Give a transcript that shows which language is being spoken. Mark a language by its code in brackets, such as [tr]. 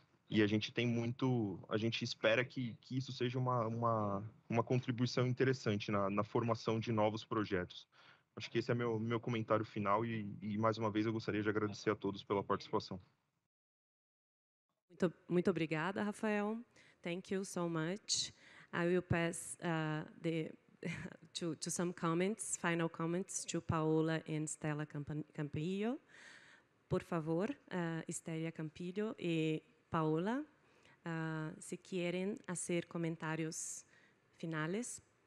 [pt] E a gente tem muito, a gente espera que isso seja uma contribuição interessante na formação de novos projetos. Acho que esse é meu comentário final e mais uma vez eu gostaria de agradecer a todos pela participação. Muito, muito obrigada, Rafael. [en] Thank you so much. I will pass to some comments, final comments to Paola and Stella Campillo. [pt] Por favor, Stella Campillo e Paola, se querem fazer comentários finais.